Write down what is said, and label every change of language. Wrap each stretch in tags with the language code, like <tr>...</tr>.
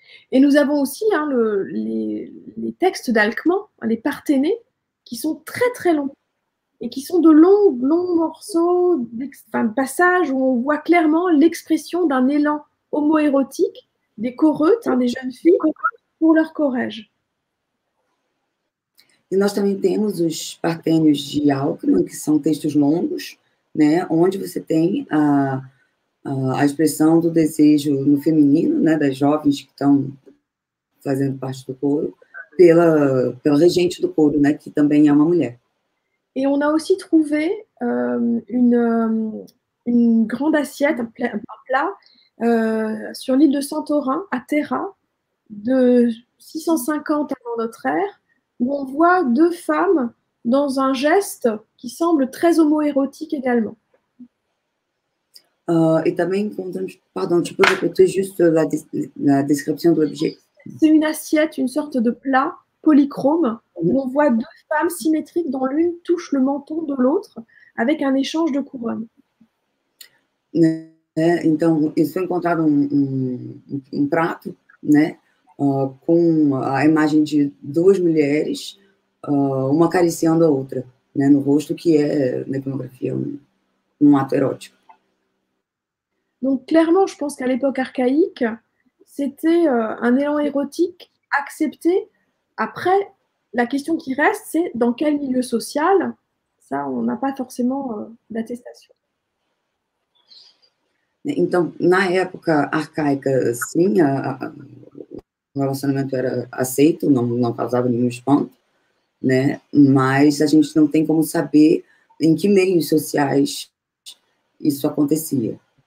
<fr>Et nous avons aussi hein, les textes d'Alcman, les Parthénées, qui sont très très longs et qui sont de longs morceaux, enfin, passages où on voit clairement l'expression d'un élan homoérotique des choreutes, hein, des jeunes filles, pour leur corège. Et nous avons aussi les Parthénées de Alcman, qui sont textes longs, né, où vous avez</fr> <pt>a expressão do desejo no feminino, né, das jovens que estão fazendo parte do coro, pela regente do coro, né, que também é uma mulher.</pt> <fr>E on a aussi trouvé une grande assiette, un plat sur l'île de Santorin à Terra de 650 avant notre ère, où on voit deux femmes dans un geste qui semble très homoérotique également.</fr> <pt>Et também encontramos,</pt> <fr>pardon, tu peux répéter juste la description de l'objet. C'est une assiette, une sorte de plat polychrome, où on voit deux femmes symétriques dont l'une touche le menton de l'autre avec un échange de couronnes.</fr> <pt>Então, eles encontraram um prato, né, com a imagem de duas mulheres, uma acariciando a outra, né, no rosto, que é, na iconografia, um ato erótico.</pt> <fr>Donc clairement, je pense qu'à l'époque archaïque, c'était un élan érotique accepté. Après, la question qui reste, c'est dans quel milieu social? Ça, on n'a pas forcément d'attestation.</fr> <pt>Donc, na época arcaica, sim, o relacionamento era aceito, não causava nenhum espanto, né? Mas a gente não tem como saber em que meios sociais isso acontecia.</pt>